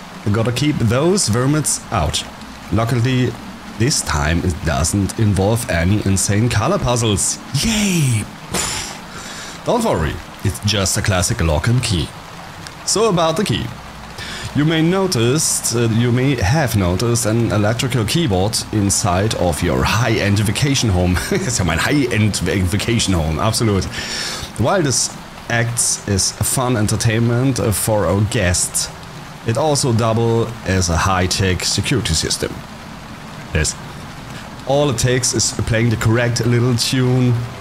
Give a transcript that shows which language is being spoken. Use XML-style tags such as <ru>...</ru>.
<en>Gotta keep those vermits out. Luckily, this time it doesn't involve any insane color puzzles. Yay! Don't worry, it's just a classic lock and key. So about the key. You may have noticed an electrical keyboard inside of your high-end vacation home.</en> <de>Das ist ja mein</de> <en>high-end vacation home,</en> <de>absolut.</de> <en>While this acts as fun entertainment for our guests, it also doubles as a high-tech security system. Yes. All it takes is playing the correct little tune.</en>